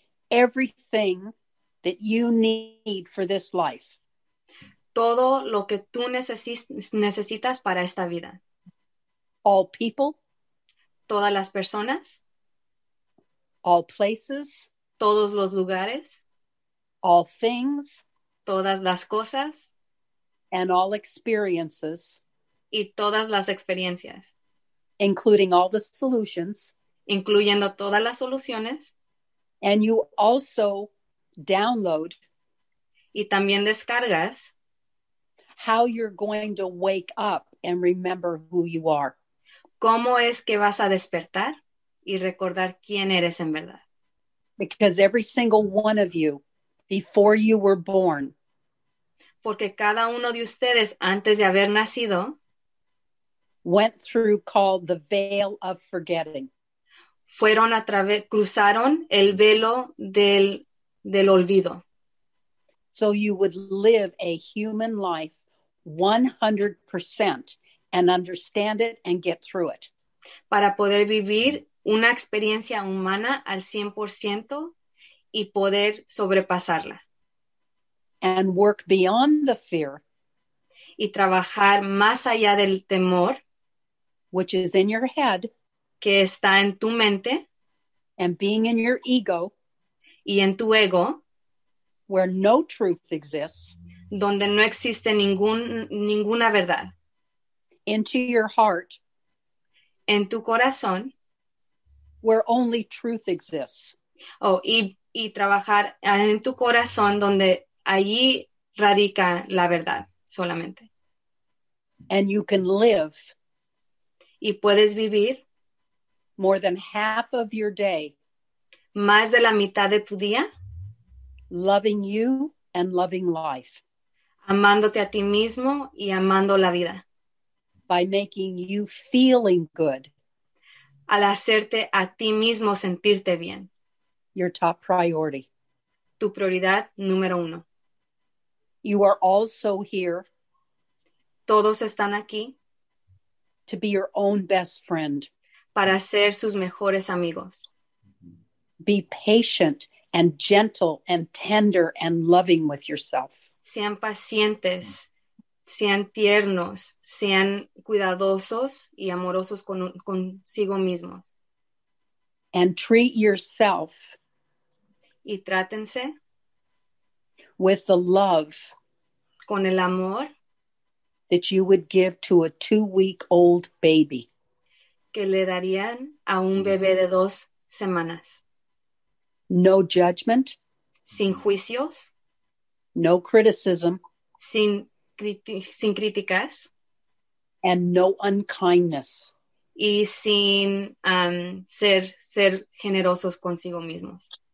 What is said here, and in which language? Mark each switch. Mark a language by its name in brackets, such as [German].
[English] Everything that you need for this life. [Spanish] Todo lo que tú necesitas para esta vida. [English] All people. [Spanish] Todas las personas. [English] All places. [Spanish] Todos los lugares. [English] All things. [Spanish] Todas las cosas. [English] And all experiences. [Spanish] Y todas las experiencias. [English] Including all the solutions. [Spanish] Incluyendo todas las soluciones. [English] And you also download. [Spanish] Y también descargas. [English] How you're going to wake up and remember who you are. [Spanish] ¿Cómo es que vas a despertar y recordar quién eres en verdad? [English] Because every single one of you, before you were born. [Spanish] Porque cada uno de ustedes, antes de haber nacido. [English] Went through called the veil of forgetting. [Spanish] Fueron a través, cruzaron el velo del olvido. [English] So you would live a human life 100% and understand it and get through it. [Spanish] Para poder vivir una experiencia humana al 100% y poder sobrepasarla. [English] And work beyond the fear. [Spanish] Y trabajar más allá del temor. [English] Which is in your head. [Spanish] Que está en tu mente. [English] And being in your ego. [Spanish] Y en tu ego. [English] Where no truth exists. [Spanish] Donde no existe ninguna verdad. [English] Into your heart. [Spanish] En tu corazón. [English] Where only truth exists. [Spanish] Oh, y trabajar en tu corazón donde allí radica la verdad solamente. [English] And you can live. [Spanish] Y puedes vivir. [English] More than half of your day. [Spanish] Más de la mitad de tu día. [English] Loving you and loving life. [Spanish] Amándote a ti mismo y amando la vida. [English] By making you feeling good. [Spanish] Al hacerte a ti mismo sentirte bien. [English] Your top priority. [Spanish] Tu prioridad número uno. [English] You are also here. [Spanish] todos están aquí. [English] To be your own best friend. [Spanish] Para ser sus mejores amigos. [English] Be patient and gentle and tender and loving with yourself. [Spanish] Sean pacientes, sean tiernos, sean cuidadosos y amorosos con consigo mismos. [English] And treat yourself. [Spanish] Y trátense. [English] With the love. [Spanish] Con el amor. [English] That you would give to a 2-week-old baby. [Spanish] Que le darían a un bebé de 2 semanas. [English] No judgment. [Spanish] Sin juicios. [English] No criticism. [Spanish] Sin críticas. [English] And no unkindness. [Spanish] Y sin ser generosos consigo mismos.